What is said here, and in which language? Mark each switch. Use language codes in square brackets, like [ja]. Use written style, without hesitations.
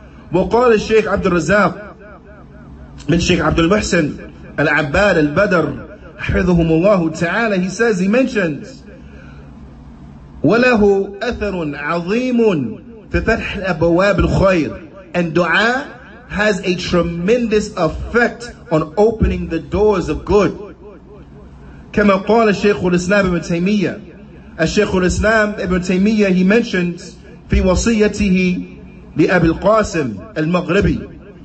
[ar] وقال الشيخ عبد الرزاق من الشيخ عبد المحسن العباد البدر حفظهم الله تعالى. [en] He says, he mentions, [ar] وله أثر عظيم في فتح أبواب الخير. [en] And dua has a tremendous effect on opening the doors of good. [ar] كما قال الشيخ الإسلام ابن تيمية. الشيخ الإسلام ابن تيمية, [en] he mentions [ar] في وصيته لأبي القاسم المغربي.